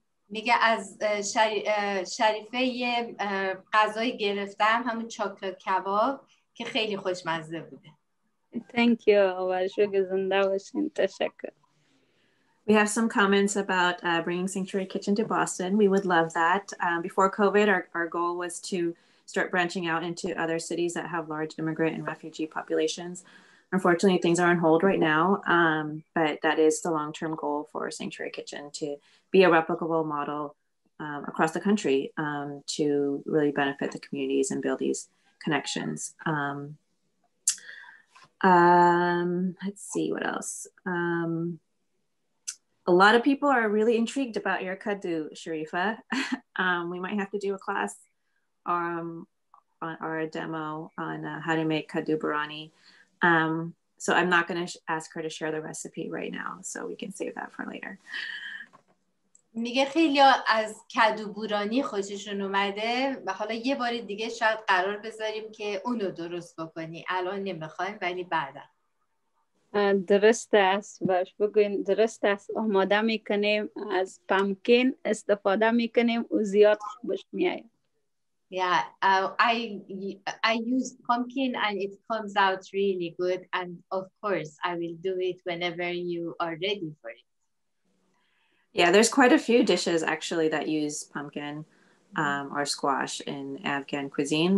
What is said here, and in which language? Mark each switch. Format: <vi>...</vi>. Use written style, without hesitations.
<fa>میگه از شریفه یه غذای گرفتم همون چاکلت کباب که خیلی خوشمزه بوده.</fa> <en>Thank you.</en> <fa>شکر زنده باشین. تشکر.</fa> <en>We have some comments about bringing Sanctuary Kitchen to Boston. We would love that. Before COVID, our goal was to start branching out into other cities that have large immigrant and refugee populations. Unfortunately, things are on hold right now, but that is the long-term goal for Sanctuary Kitchen to be a replicable model across the country to really benefit the communities and build these connections. Let's see what else. A lot of people are really intrigued about your kadu, Sharifa. We might have to do a class or a demo on how to make kadu Borrani. So I'm not going to ask her to share the recipe right now, so we can save that for later.</en> <fa>میگه خیلی از کدو بورانی خوششون اومده و حالا یه بار دیگه شاید قرار بذاریم که اونو درست بکنی. الان نمیخوایم ولی بعدا. درست است. باش بگوین درست است. آماده میکنیم از پامکین استفاده میکنیم و زیاد خوبش میاییم.</fa> <en>Yeah, I use pumpkin and it comes out really good. And of course, I will do it whenever you are ready for it. Yeah, there's quite a few dishes actually that use pumpkin or squash in Afghan cuisine.</en>